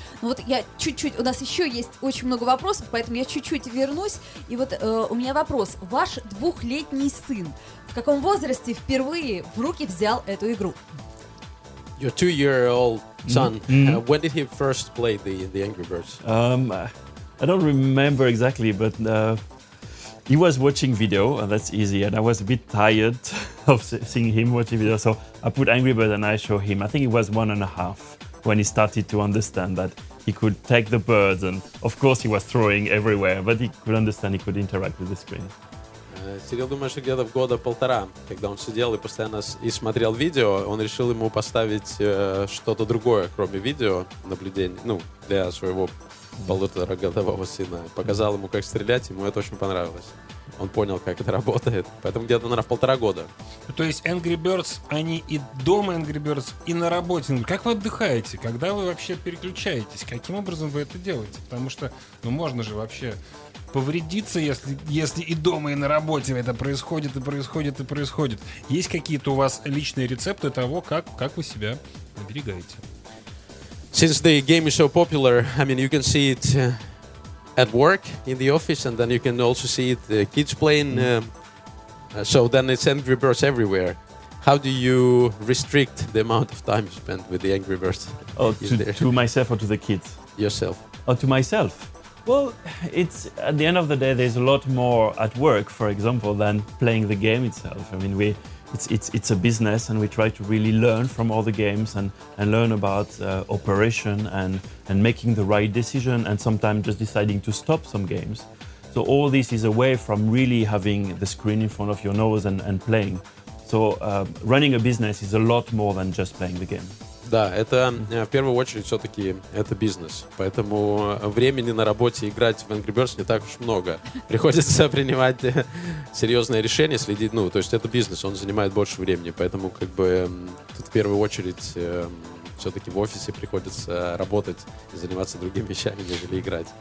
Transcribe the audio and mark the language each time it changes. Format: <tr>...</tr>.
<ru>Ну вот я чуть-чуть, у нас еще есть очень много вопросов, поэтому я чуть-чуть вернусь. И вот у меня вопрос. Ваш двухлетний сын в каком возрасте впервые в руки взял эту игру?</ru> <en>Your two-year-old son, when did he first play the Angry Birds? I don't remember exactly, but he was watching video, and that's easy, and I was a bit tired of seeing him watching video, so I put Angry Birds and I show him. I think he was 1.5 when he started to understand that he could take the birds, and of course he was throwing everywhere, but he could understand, he could interact with the screen.</en> <ru>Сирил, думаешь, где-то в года полтора, когда он сидел и постоянно и смотрел видео, он решил ему поставить что-то другое, кроме видео, наблюдение, ну, для своего полуторагодового сына. Показал ему, как стрелять, ему это очень понравилось. Он понял, как это работает. Поэтому где-то, наверное, в полтора года. То есть Angry Birds, они и дома Angry Birds, и на работе. Как вы отдыхаете? Когда вы вообще переключаетесь? Каким образом вы это делаете? Потому что, ну, можно же вообще повредиться, если и дома, и на работе это происходит, и происходит, и происходит. Есть какие-то у вас личные рецепты того, как вы себя оберегаете?</ru> <en>Since the game is so popular, I mean, you can see it at work, in the office, and then you can also see it the kids playing. So then it's Angry Birds everywhere. How do you restrict the amount of time spent with the Angry Birds? To myself or to the kids? Yourself. Oh, to myself? Well, it's at the end of the day, there's a lot more at work, for example, than playing the game itself. I mean, it's a business, and we try to really learn from all the games and learn about operation and making the right decision, and sometimes just deciding to stop some games. So all this is away from really having the screen in front of your nose and playing. So running a business is a lot more than just playing the game.</en> <ru>Да, это в первую очередь все-таки это бизнес. Поэтому времени на работе играть в Angry Birds не так уж много. Приходится принимать серьезные решения, следить. Ну, то есть это бизнес, он занимает больше времени. Поэтому как бы тут в первую очередь все-таки в офисе приходится работать и заниматься другими вещами, нежели играть.</ru>